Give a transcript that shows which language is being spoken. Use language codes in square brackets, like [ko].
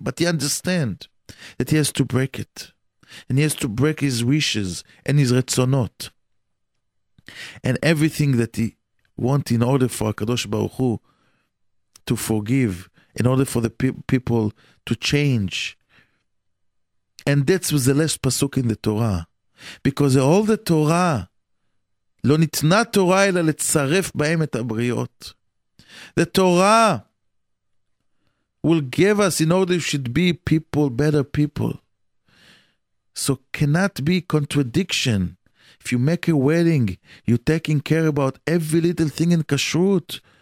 [en] But he understands that he has to break it. And he has to break his wishes and his רצונות. And everything that he wants in order for HaKadosh Baruch Hu to forgive, in order for the people to change. And that was the last pasuk in the Torah. Because all the Torah, [he] לא ניתנה תורה אלא לצרף בהם את הבריאות. [en] The Torah will give us in order should be people, better people. So cannot be contradiction. If you make a wedding, you're taking care about every little thing in kashrut.